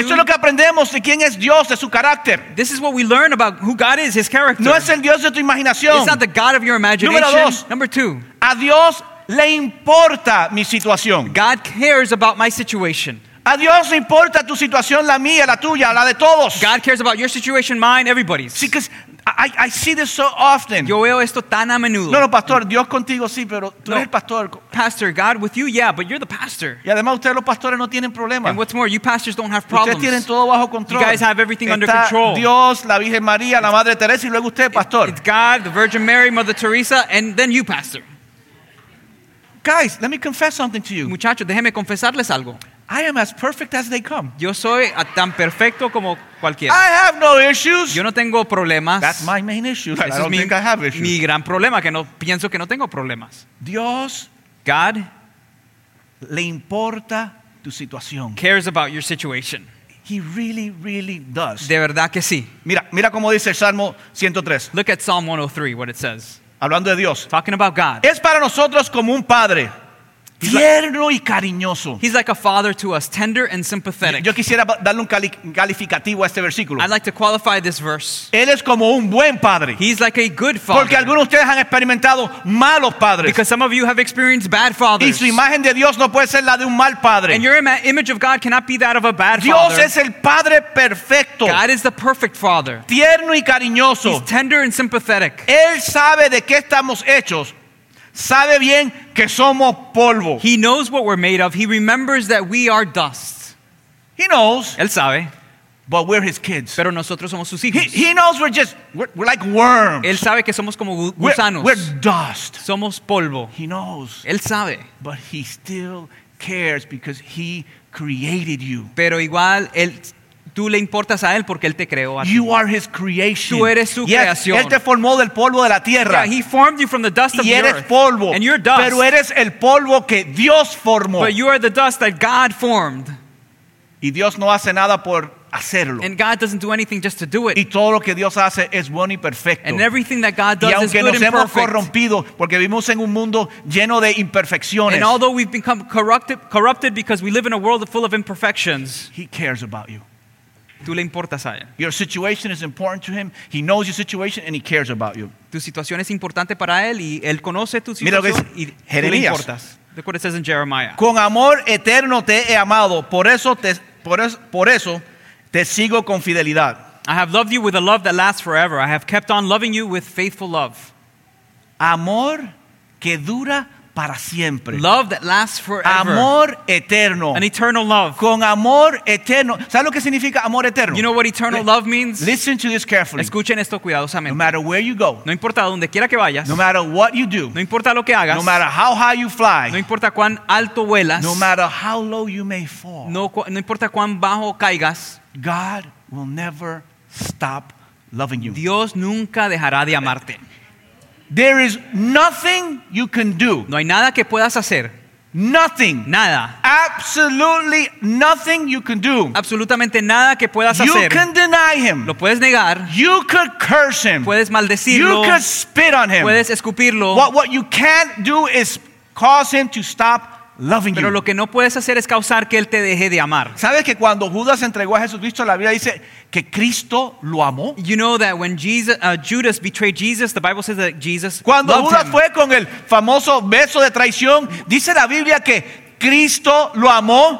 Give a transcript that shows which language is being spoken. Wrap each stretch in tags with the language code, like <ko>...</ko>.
<es>Esto es lo que aprendemos de quién es Dios, de su carácter.</es> <en>This is what we learn about who God is, his character.</en> <es>No es el Dios de tu imaginación.</es> <en>It's not the God of your imagination.</en> <es>Número dos.</es> <en>Number two.</en> <es>A Dios le importa mi situación.</es> <en>God cares about my situation.</en> <es>A Dios le importa tu situación, la mía, la tuya, la de todos.</es> <en>God cares about your situation, mine, everybody's. Sí, because I see this so often.</en> <es>Yo veo esto tan a menudo. No, pastor, Dios contigo sí, pero tú eres el pastor.</es> <en>Pastor, God with you, yeah, but you're the pastor.</en> <es>Y además ustedes los pastores no tienen problemas.</es> <en>And what's more, you pastors don't have problems.</en> <es>Ustedes tienen todo bajo control.</es> <en>You guys have everything under control.</en> <es>Dios, la Virgen María, la Madre Teresa, y luego usted, pastor.</es> <en>It's God, the Virgin Mary, Mother Teresa, and then you, pastor. Guys, let me confess something to you.</en> <es>Muchachos, déjeme confesarles algo.</es> <en>I am as perfect as they come.</en> <es>Yo soy tan perfecto como cualquiera.</es> <en>I have no issues.</en> <es>Yo no tengo problemas.</es> <en>That's my main issue.</en> <es>Ese</es> <en>I don't think I have issues.</en> <es>Mi gran problema, que no pienso que no tengo problemas. Dios,</es> <en>God,</en> <es>le importa tu situación.</es> <en>Cares about your situation. He really, really does.</en> <es>De verdad que sí. Mira cómo dice el Salmo 103.</es> <en>Look at Psalm 103, what it says.</en> <es>Hablando de Dios.</es> <en>Talking about God.</en> <es>Es para nosotros como un padre. Tierno y cariñoso.</es> <en>He's like a father to us, tender and sympathetic.</en> <es>Yo quisiera darle un calificativo a este versículo.</es> <en>I'd like to qualify this verse.</en> <es>Él es como un buen padre.</es> <en>He's like a good father.</en> <es>Porque algunos de ustedes han experimentado malos padres.</es> <en>Because some of you have experienced bad fathers.</en> <es>Y su imagen de Dios no puede ser la de un mal padre.</es> <en>And your image of God cannot be that of a bad</en> <es>Dios</es> <en>father.</en> <es>Dios es el padre perfecto.</es> <en>God is the perfect father.</en> <es>Tierno y cariñoso.</es> <en>He's tender and sympathetic.</en> <es>Él sabe de qué estamos hechos. Sabe bien que somos polvo.</es> <en>He knows what we're made of. He remembers that we are dust. He knows.</en> <es>Él sabe.</es> <en>But we're his kids.</en> <es>Pero nosotros somos sus hijos.</es> <en>He knows we're like worms.</en> <es>Él sabe que somos como gusanos.</es> <en>We're dust.</en> <es>Somos polvo.</es> <en>He knows.</en> <es>Él sabe.</es> <en>But he still cares because he created you.</en> <es>Pero igual él tú le importas a él porque él te creó a ti.</es> <en>You are his creation.</en> <es>Tú eres su creación. Él te formó del polvo de la tierra.</es> <en>Yeah, he formed you from the dust of the earth.</en> <es>Y eres polvo.</es> <en>And you're dust.</en> <es>Pero eres el polvo que Dios formó.</es> <en>But you are the dust that God formed.</en> <es>Y Dios no hace nada por hacerlo.</es> <en>And God doesn't do anything just to do it.</en> <es>Y todo lo que Dios hace es bueno y perfecto.</es> <en>And everything that God does</en> <es>y aunque</es> <en>is good</en> <es>nos</es> <en>and</en> <es>hemos</es> <en>perfect.</en> <es>Corrompido porque vivimos en un mundo lleno de imperfecciones.</es> <en>And although we've become corrupted because we live in a world full of imperfections. He cares about you.</en> <es>Tú le importas a él.</es> <en>Your situation is important to him. He knows your situation and he cares about you.</en> <es>Tu situación es importante para él y él conoce tu situación. Mira lo que dice y Jeremías. Tú le importas.</es> <en>Look what it says in Jeremiah.</en> <es>Con amor eterno te he amado, por eso te sigo con fidelidad.</es> <en>I have loved you with a love that lasts forever. I have kept on loving you with faithful love.</en> <es>Amor que dura para siempre.</es> <en>Love that lasts forever.</en> <es>Amor eterno.</es> <en>An eternal love.</en> <es>Con amor eterno. ¿Sabes lo que significa amor eterno?</es> <en>You know what eternal love means? Listen to this carefully.</en> <es>Escuchen esto cuidadosamente.</es> <en>No matter where you go.</en> <es>No importa donde quiera que vayas.</es> <en>No matter what you do.</en> <es>No importa lo que hagas.</es> <en>No matter how high you fly.</en> <es>No importa cuán alto vuelas.</es> <en>No matter how low you may fall.</en> <es>No importa cuán bajo caigas.</es> <en>God will never stop loving you.</en> <es>Dios nunca dejará de amarte.</es> <en>There is nothing you can do.</en> <es>No hay nada que puedas hacer.</es> <en>Nothing.</en> <es>Nada.</es> <en>Absolutely nothing you can do.</en> <es>Absolutamente nada que puedas</es> <en>you</en> <es>hacer.</es> <en>You can deny him.</en> <es>Lo puedes negar.</es> <en>You could curse him.</en> <es>Puedes maldecirlo.</es> <en>You could spit on him.</en> <es>Puedes escupirlo.</es> <en>What you can't do is cause him to stop loving you.</en> <es>Pero lo que no puedes hacer es causar que él te deje de amar. ¿Sabes que cuando Judas entregó a Jesucristo la vida dice que Cristo lo amó?</es> <en>You know that when Jesus, Judas betrayed Jesus, the Bible says that Jesus</en> <es>cuando</es> <en>loved</en> <es>Fue con el famoso beso de traición, dice la Biblia que Cristo lo amó.</es>